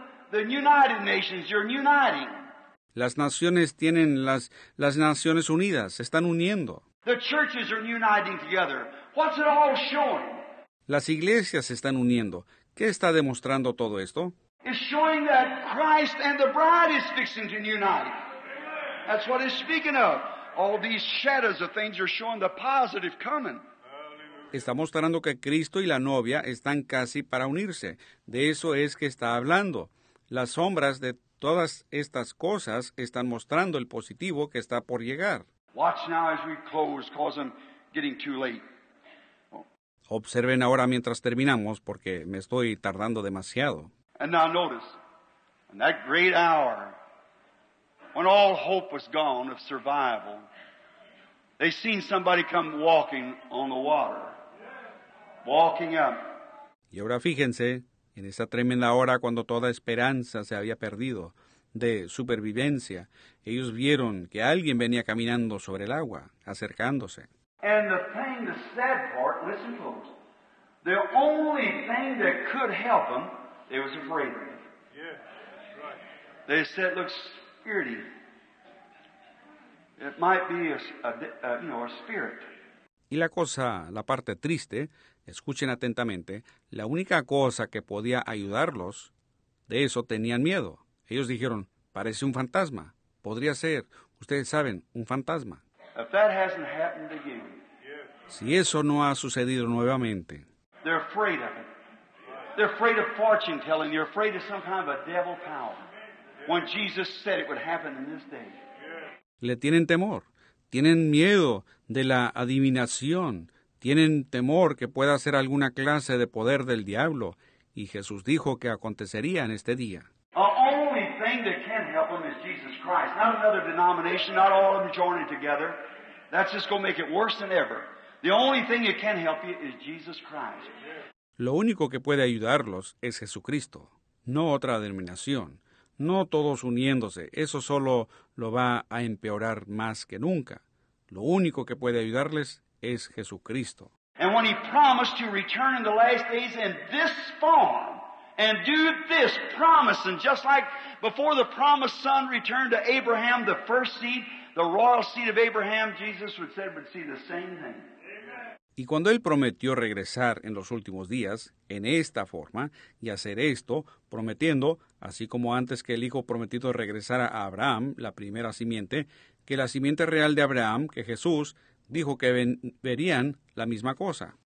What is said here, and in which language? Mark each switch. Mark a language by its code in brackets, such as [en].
[en] The United Nations, you're uniting. [es] Las naciones tienen las Naciones Unidas, están uniendo. [en] The churches are uniting together. What's it all showing? [es] Las iglesias están uniendo. ¿Qué está demostrando todo esto? [en] It's showing that Christ and the bride is fixing to unite. That's what it's speaking of. All these shadows of things are showing the positive coming. [es] Está mostrando que Cristo y la novia están casi para unirse. De eso es que está hablando. Las sombras de todas estas cosas están mostrando el positivo que está por llegar. [en] Watch now as we close, 'cause I'm getting too late. [es] Observen ahora mientras terminamos, porque me estoy tardando demasiado. [en] And now notice, in that great hour, when all hope was gone of survival, they seen somebody come walking on the water, walking up. [es] Y ahora fíjense, en esa tremenda hora cuando toda esperanza se había perdido de supervivencia, ellos vieron que alguien venía caminando sobre el agua, acercándose. [en] And the thing, the sad part, listen folks, the only thing that could help them, it was a freighter. Yeah, right. They said, it looks spirity. It might be a spirit. [es] Y la cosa, la parte triste, escuchen atentamente, la única cosa que podía ayudarlos, de eso tenían miedo. Ellos dijeron, parece un fantasma, podría ser, ustedes saben, un fantasma. [en] If that hasn't happened again, [es] si eso no ha sucedido nuevamente, [en] they're afraid of it. They're afraid of fortune telling. They're afraid of some kind of a devil power. When Jesus said it would happen in this day. [es] Le tienen temor. Tienen miedo de la adivinación. Tienen temor que pueda ser alguna clase de poder del diablo. Y Jesús dijo que acontecería en este día. [en] The only thing that can help them is Jesus Christ. Not another denomination, not all of them joining together. That's just going to make it worse than ever. The only thing that can help you is Jesus Christ. [es] Lo único que puede ayudarlos es Jesucristo, no otra denominación. No todos uniéndose, eso solo lo va a empeorar más que nunca. Lo único que puede ayudarles es Jesucristo. [en] And when he promised to return in the last days in this form and do this promise, and just like before the promised son returned to Abraham, the first seed, the royal seed of Abraham, Jesus would say would see the same thing. [es] Y cuando él prometió regresar en los últimos días, en esta forma, y hacer esto, prometiendo, así como antes que el hijo prometido regresara a Abraham, la primera simiente, que la simiente real de Abraham, que Jesús, dijo que verían la misma cosa.